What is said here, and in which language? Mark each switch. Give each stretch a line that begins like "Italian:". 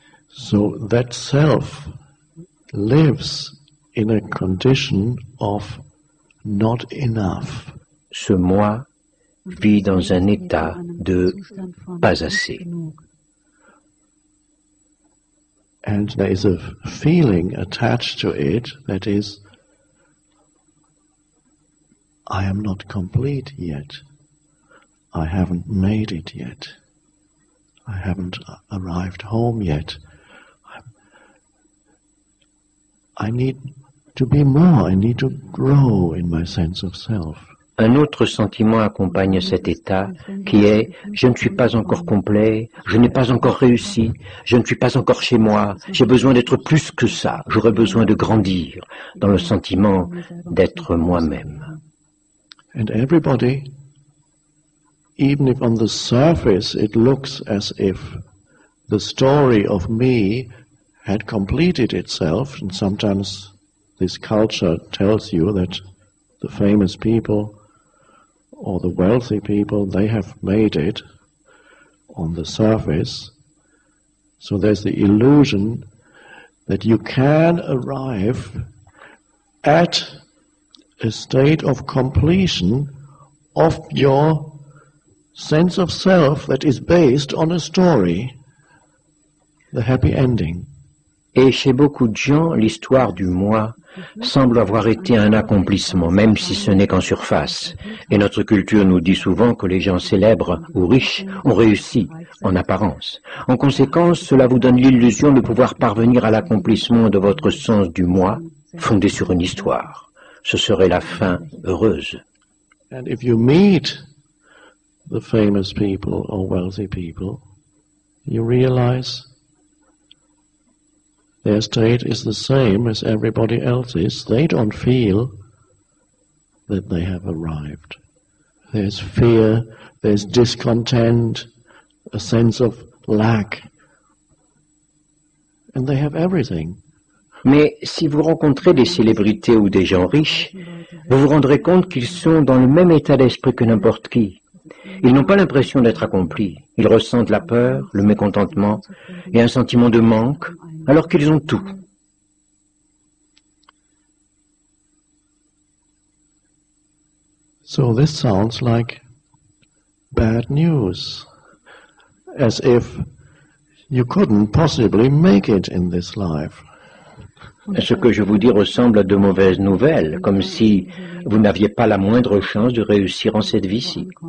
English: So that self lives in a condition of not enough.
French: Ce moi vit dans un état de pas assez.
English: And there is a feeling attached to it that is, I am not complete yet. I haven't made it yet. I haven't arrived home yet. I need to be more, I need to grow in my sense of self.
French: Un autre sentiment accompagne cet état qui est « je ne suis pas encore complet, je n'ai pas encore réussi, je ne suis pas encore chez moi, j'ai besoin d'être plus que ça, j'aurais besoin de grandir » dans le sentiment d'être moi-même.
English: And everybody, even if on the surface it looks as if the story of me had completed itself, and sometimes this culture tells you that the famous people or the wealthy people, they have made it on the surface. So there's the illusion that you can arrive at a state of completion of your sense of self that is based on a story, the happy ending.
French: Et chez beaucoup de gens, l'histoire du moi semble avoir été un accomplissement, même si ce n'est qu'en surface. Et notre culture nous dit souvent que les gens célèbres ou riches ont réussi, en apparence. En conséquence, cela vous donne l'illusion de pouvoir parvenir à l'accomplissement de votre sens du moi, fondé sur une histoire. Ce serait la fin heureuse.
English: And if you meet the famous people or wealthy people, you realize their state is the same as everybody else's. They don't feel that they have arrived. There's fear, there's discontent, a sense of lack. And they have everything.
French: Mais si vous rencontrez des célébrités ou des gens riches, vous vous rendrez compte qu'ils sont dans le même état d'esprit que n'importe qui. Ils n'ont pas l'impression d'être accomplis. Ils ressentent la peur, le mécontentement et un sentiment de manque, alors qu'ils ont tout.
English: So this sounds like bad news, as if you couldn't possibly make it in this life.
French: Ce que je vous dis ressemble à de mauvaises nouvelles, comme si vous n'aviez pas la moindre chance de réussir en cette vie-ci.